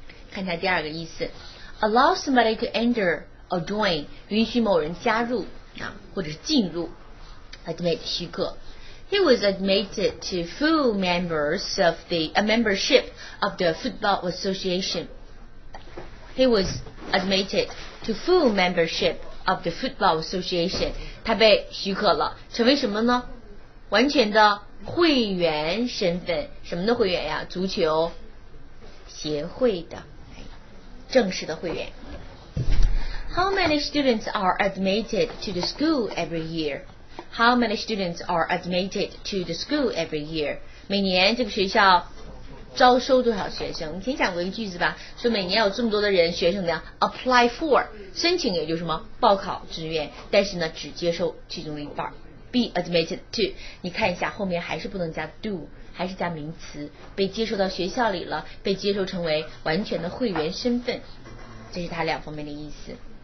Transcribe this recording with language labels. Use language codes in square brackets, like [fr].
[zh] 看一下第二个意思， allow somebody to enter or join，允许某人加入啊，或者是进入。admit 许可。 [en] He was admitted to full members of the a membership of the football association. He was admitted to full membership of the football association. [zh] 他被许可了，成为什么呢？完全的会员身份，什么的会员呀？足球协会的正式的会员。 [en] How many students are admitted to the school every year? How many students are admitted to the school every year? [zh] 每年这个学校招收多少学生？你听讲过一个句子吧，说每年有这么多的人学生呢 apply for 申请，也就是什么报考志愿，但是呢只接受其中一半。 Be admitted to，你看一下后面还是不能加 do， 还是加名词，被接受到学校里了，被接受成为完全的会员身份，这是它两方面的意思。